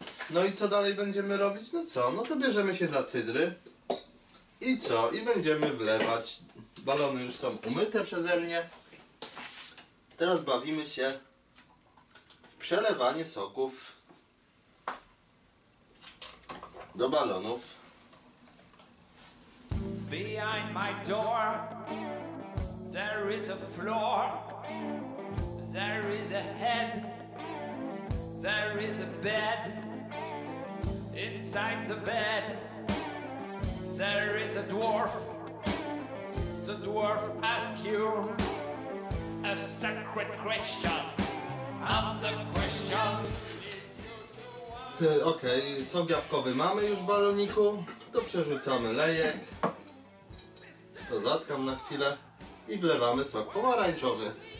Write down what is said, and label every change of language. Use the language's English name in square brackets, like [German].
[Polish] No i co dalej będziemy robić? No co? No to bierzemy się za cydry. I co? I będziemy wlewać. Balony już są umyte przeze mnie. Teraz bawimy się w przelewanie soków do balonów. [English] Behind my door there is a floor, there is a head, there is a bed. Inside the bed there is a dwarf. The dwarf asks you a secret question. I'm the question. [Polish] Okej, sok jabłkowy mamy już w baloniku. To przerzucamy lejek. To zatkam na chwilę. I wlewamy sok pomarańczowy.